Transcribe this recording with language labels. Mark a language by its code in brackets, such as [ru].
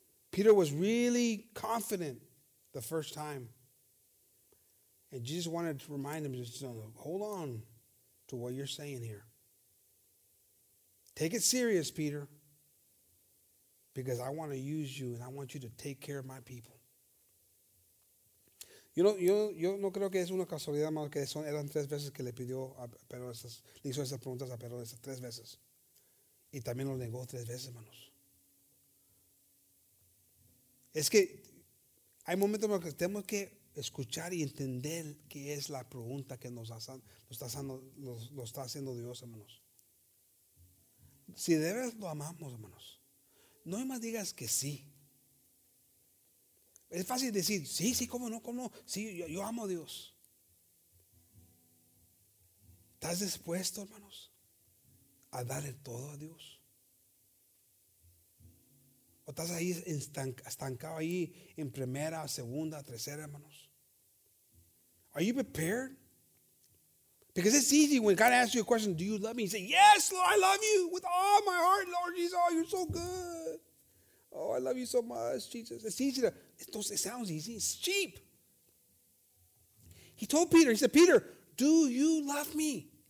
[en] Peter was really confident the first time. And Jesus wanted to remind him, just hold on to what you're saying here. Take it serious, Peter, because I want to use you and I want you to take care of my people. [es] Yo no creo que es una casualidad más que son eran tres veces que le pidió a Pedro esas, le hizo esas preguntas a Pedro esas tres veces. Y también lo negó tres veces, hermanos. Es que hay momentos en los que tenemos que escuchar y entender qué es la pregunta que nos está haciendo Dios, hermanos. Si de veras lo amamos, hermanos, no hay más digas que sí. Es fácil decir, sí, sí, cómo no, sí, yo amo a Dios. ¿Estás dispuesto, hermanos, a darle todo a Dios? ¿O estás ahí estancado ahí en primera, segunda, tercera, hermanos? [en] Are you prepared? Because it's easy when God asks you a question, do you love me? You say, yes, Lord, I love you with all my heart, Lord Jesus. Oh, you're so good. Oh, I love you so much, Jesus. It's easy to, it sounds easy. It's cheap. He told Peter, he said, Peter, do you love me?